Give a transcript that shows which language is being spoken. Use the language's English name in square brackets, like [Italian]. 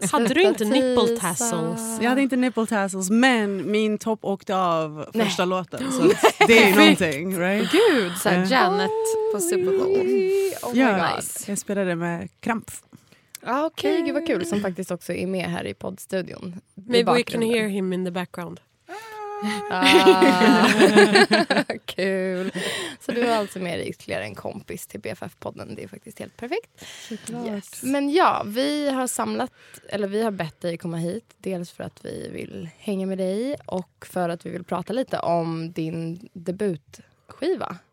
[Swedish] Hade du inte [English] nipple tassels? [Swedish] Jag hade inte [English] nipple tassels, [Swedish] men min topp åkte av första låten. Så det är någonting, right? Gud, såhär Janet på Super Bowl. Oh ja, jag spelade med Kramp. Ah, okej, okay. Gud vad kul, som faktiskt också är med här i poddstudion. [English] Maybe we can hear him in the background. [Swedish] Ah, kul. Så du är alltså med ytterligare en kompis till BFF-podden. Det är faktiskt helt perfekt. [English] Yes. [Swedish] Men ja, vi har samlat, eller vi har bett dig komma hit. Dels för att vi vill hänga med dig och för att vi vill prata lite om din debutskiva.